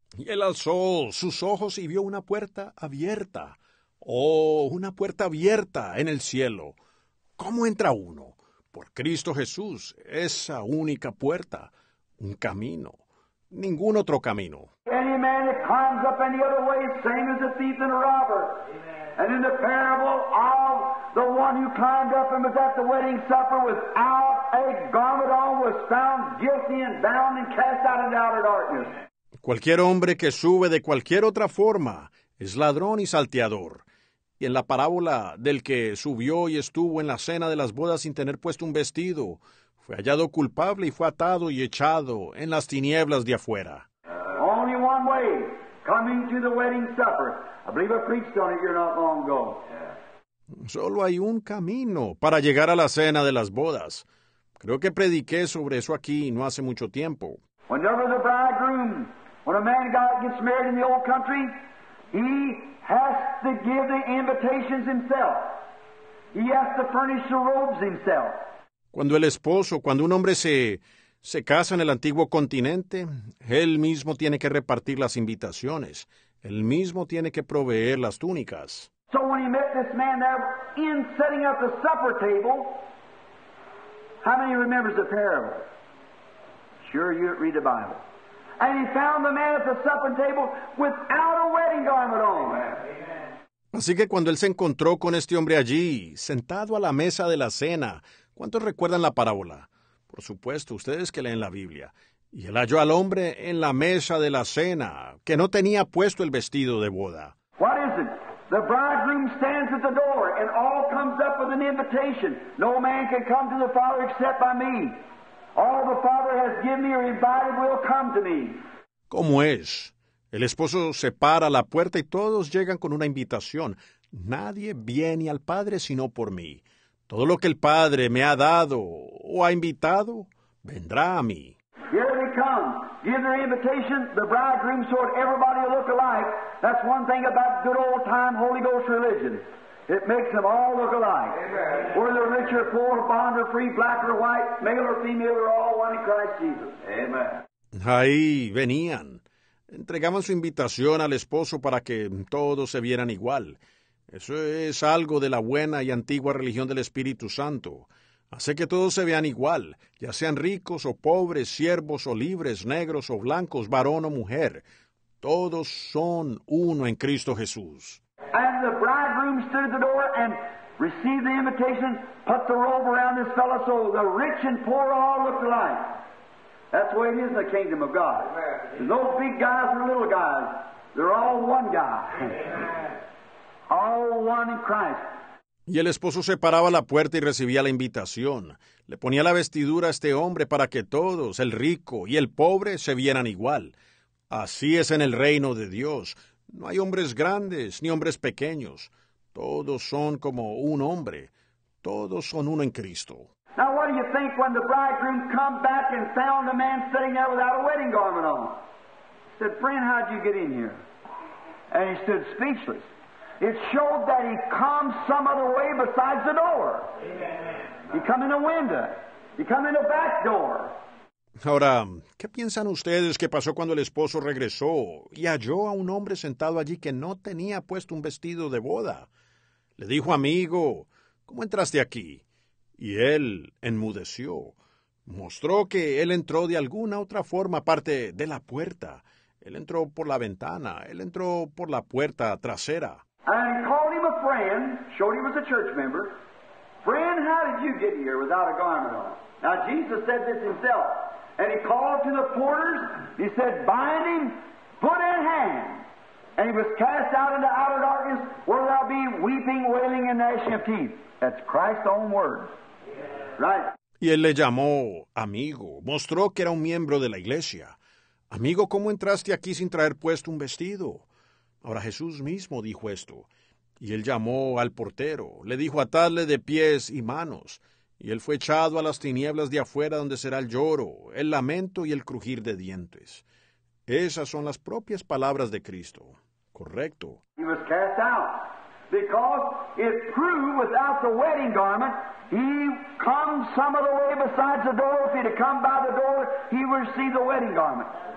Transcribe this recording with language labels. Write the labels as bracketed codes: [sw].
[es] Y él alzó sus ojos y vio una puerta abierta. Oh, una puerta abierta en el cielo. ¿Cómo entra uno? Por Cristo Jesús, esa única puerta. Un camino. Ningún otro camino. [en] Any man that climbs up any other way, same as a thief and a robber. And in the parable of the one who climbed up and was at the wedding supper without a garment on was found guilty and bound and cast out into outer darkness. [es] Cualquier hombre que sube de cualquier otra forma es ladrón y salteador. Y en la parábola del que subió y estuvo en la cena de las bodas sin tener puesto un vestido, fue hallado culpable y fue atado y echado en las tinieblas de afuera. [en] Only one way, coming to the wedding supper. I believe I preached on it here not long ago. Yeah. [es] Solo hay un camino para llegar a la cena de las bodas. Creo que prediqué sobre eso aquí no hace mucho tiempo. [en] Whenever the bridegroom, when a man gets married in the old country, he has to give the invitations himself. He has to furnish the robes himself. [es] Cuando el esposo, cuando un hombre se casa en el antiguo continente, él mismo tiene que repartir las invitaciones. Él mismo tiene que proveer las túnicas. [en] So when he met this man there in setting up the supper table, how many remembers the parable? Sure, you read the Bible. And he found the man at the supper table without a wedding garment on. Amen. [es] Así que cuando él se encontró con este hombre allí, sentado a la mesa de la cena, ¿cuántos recuerdan la parábola? Por supuesto, ustedes que leen la Biblia. Y él halló al hombre en la mesa de la cena, que no tenía puesto el vestido de boda. [en] What is it? The bridegroom stands at the door, and all comes up with an invitation. No man can come to the Father except by me. All the Father has given me or invited will come to me. [es] ¿Cómo es? El esposo se para a la puerta y todos llegan con una invitación. Nadie viene al Padre sino por mí. Todo lo que el Padre me ha dado o ha invitado, vendrá a mí. [en] Here they come. Give their invitation. The bridegroom sort everybody look alike. That's one thing about good old time Holy Ghost religion. It makes them all look alike. Amen. Whether they're rich or poor, bond or free, black or white, male or female, they're all one in Christ Jesus. Amen. [es] Ahí venían. Entregaban su invitación al esposo para que todos se vieran igual. Eso es algo de la buena y antigua religión del Espíritu Santo. Hace que todos se vean igual, ya sean ricos o pobres, siervos o libres, negros o blancos, varón o mujer. Todos son uno en Cristo Jesús. [en] And the bridegroom stood at the door and Receive the invitation. Put the robe around this fellow so the rich and poor all look alike. That's the way it is in the kingdom of God. Amen. No big guys or little guys. They're all one guy. All one in Christ. [es] Y el esposo se paraba a la puerta y recibía la invitación. Le ponía la vestidura a este hombre para que todos, el rico y el pobre, se vieran igual. Así es en el reino de Dios. No hay hombres grandes ni hombres pequeños. Todos son como un hombre. Todos son uno en Cristo. [en] Now what do you think when the bridegroom come back and found a man sitting there without a wedding garment on? He said, friend, how'd you get in here? And he stood speechless. It showed that he come some other way besides the door. Amen. He come in a window. He come in a back door. [es] Ahora, ¿qué piensan ustedes que pasó cuando el esposo regresó y halló a un hombre sentado allí que no tenía puesto un vestido de boda? Le dijo, amigo, ¿cómo entraste aquí? Y él enmudeció. Mostró que él entró de alguna otra forma aparte de la puerta. Él entró por la ventana. Él entró por la puerta trasera. [en] And he called him a friend, showed him as a church member. Friend, how did you get here without a garment on? Now, Jesus said this himself. And he called to the porters. He said, bind him, put in hand. And he was cast out into outer darkness where there'll be weeping, wailing, and gnashing of teeth. That's Christ's own words. Right. [es] Y él le llamó amigo. Mostró que era un miembro de la iglesia. Amigo, ¿cómo entraste aquí sin traer puesto un vestido? Ahora Jesús mismo dijo esto. Y él llamó al portero. Le dijo atarle de pies y manos. Y él fue echado a las tinieblas de afuera donde será el lloro, el lamento y el crujir de dientes. Esas son las propias palabras de Cristo. Correcto. [en] He was cast out. Because it proved without the wedding garment, he comes some of the way besides the door. If he'd have come by the door, he would see the wedding garment.